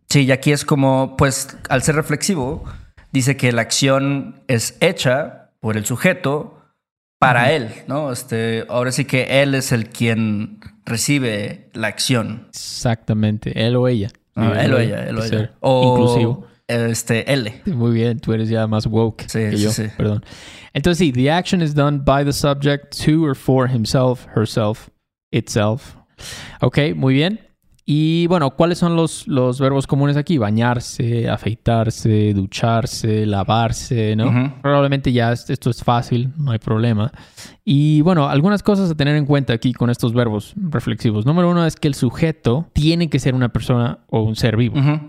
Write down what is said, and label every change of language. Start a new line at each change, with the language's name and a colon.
Spanish: y aquí es como, pues, al ser reflexivo, dice que la acción es hecha por el sujeto para él, ¿no? Ahora sí que él es el quien recibe la acción. Exactamente. Él o ella. Él o ella. Inclusivo. L. Muy bien. Tú eres ya más woke que yo. Sí, sí. Perdón. Entonces, sí.
English: The action is done by the subject to or for himself, herself, itself.
Spanish: Ok, muy bien. Y bueno, ¿cuáles son los verbos comunes aquí? Bañarse, afeitarse, ducharse, lavarse, ¿no? Uh-huh. Probablemente ya esto es fácil, no hay problema. Y bueno, algunas cosas a tener en cuenta aquí con estos verbos reflexivos. Número uno es que el sujeto tiene que ser una persona o un ser vivo. Uh-huh.